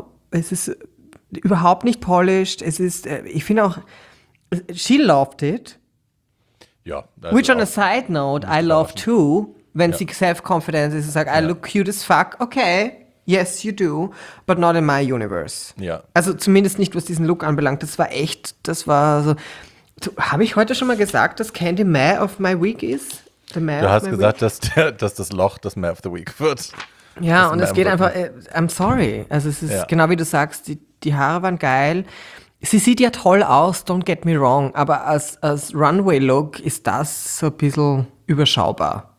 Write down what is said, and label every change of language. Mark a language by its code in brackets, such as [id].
[de] Es ist überhaupt nicht polished. Es ist, ich finde auch, [en] she loved it. [de] Ja. [en] Which on a side note, I love too, [de] wenn sie self-confident ist und sagt, [en] I look cute as fuck, okay. Yes, you do, but not in my universe. [de] Ja. Also zumindest nicht, was diesen Look anbelangt. Das war so. Habe ich heute schon mal gesagt, dass Candy May [en] of my week [de] ist? The May du of hast my gesagt, week? Dass das Loch das May of the week wird. Ja, das und es geht einfach, [en] I'm sorry. [de] Also es ist genau wie du sagst, die Haare waren geil. Sie sieht ja toll aus, [en] don't get me wrong. [de] Aber als Runway-Look ist das so ein bisschen überschaubar.